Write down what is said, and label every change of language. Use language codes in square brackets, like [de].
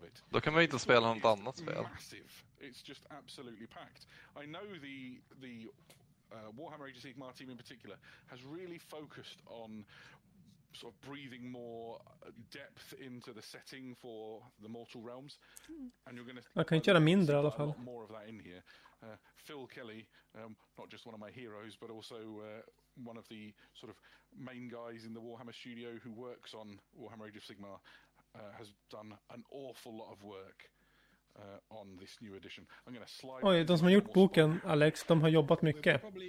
[sv] Då kan man ju inte spela något annat spel. [en] It's just absolutely packed. I know the Warhammer Age of Sigmar team in particular has really focused on sort of breathing more depth into the setting for the Mortal Realms. And you're going to... [sv] Man kan ju köra mindre i alla fall. [en] More of that in here. Phil Kelly, not just one of my heroes, but also one of the sort of main guys in the Warhammer studio who works on Warhammer Age of Sigmar, has done an awful lot of work on this new edition. I'm going to slide... [sv] Oj, de som har gjort boken, Alex, de har jobbat mycket.